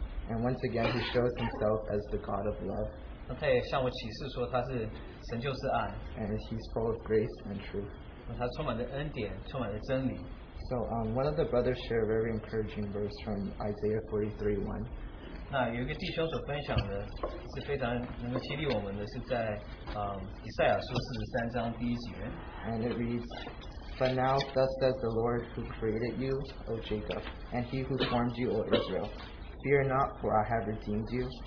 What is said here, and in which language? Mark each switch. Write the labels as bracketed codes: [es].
[en] And once again, He shows Himself as the God of love. [zh] 那他也向我启示说，他是神就是爱。 [en] And He's full of grace and truth. [zh] 那他充满了恩典，充满了真理。 [en] So one of the brothers shared a very encouraging verse from Isaiah 43:1. [zh] 那有一个弟兄所分享的是非常能够激励我们的，是在 以赛亚书43:1. [en] And it reads, "But now thus says the Lord who created you, O Jacob, and He who formed you, O Israel, fear not, for I have redeemed you.